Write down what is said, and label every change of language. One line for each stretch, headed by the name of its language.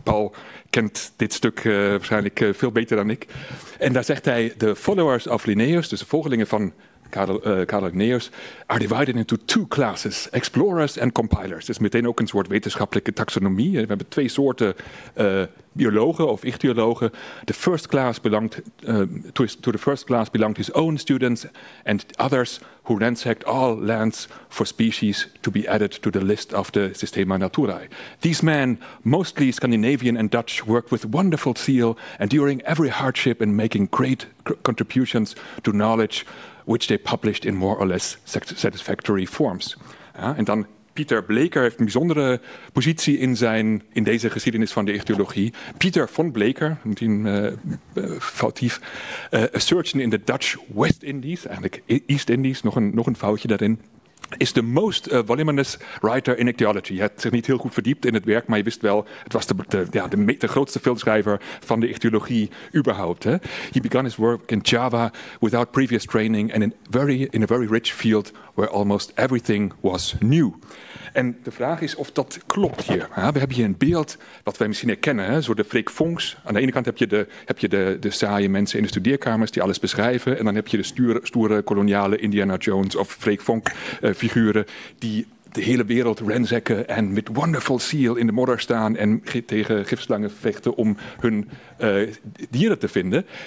Dutch: Paul kent dit stuk waarschijnlijk veel beter dan ik. En daar zegt hij,
English: the followers of Linnaeus,
Dutch: dus de volgelingen van Carl Linnaeus,
English: are divided into two classes, explorers and compilers.
Dutch: Dat is meteen ook een soort wetenschappelijke taxonomie. We hebben twee soorten biologen of ichthyologen.
English: The first class belonged to the first class belonged his own students and others who ransacked all lands for species to be added to the list of the Systema Naturae. These men, mostly Scandinavian and Dutch, worked with wonderful zeal and during every hardship in making great contributions to knowledge which they published in more or less satisfactory forms.
Dutch: Ja, en dan Pieter Bleeker heeft een bijzondere positie in deze geschiedenis van de ichthyologie.
English: Pieter von Bleeker,
Dutch: misschien foutief,
English: a surgeon in the Dutch West Indies, eigenlijk East Indies,
Dutch: nog een foutje daarin, is de
English: most voluminous writer in ichthyology.
Dutch: Hij had zich niet heel goed verdiept in het werk, maar je wist wel, het was de grootste veldschrijver van de ichthyologie überhaupt. Hè.
English: He began his work in Java without previous training and in a very rich field where almost everything was new.
Dutch: En de vraag is of dat klopt hier. Ja, we hebben hier een beeld wat wij misschien herkennen, hè, zo de Freek Vonks. Aan de ene kant heb je de saaie mensen in de studeerkamers die alles beschrijven en dan heb je de stoere koloniale Indiana Jones of Freek Vonk figuren die de hele wereld ransacken en met
English: wonderful zeal
Dutch: in de modder staan en tegen gifslangen vechten om hun dieren te vinden.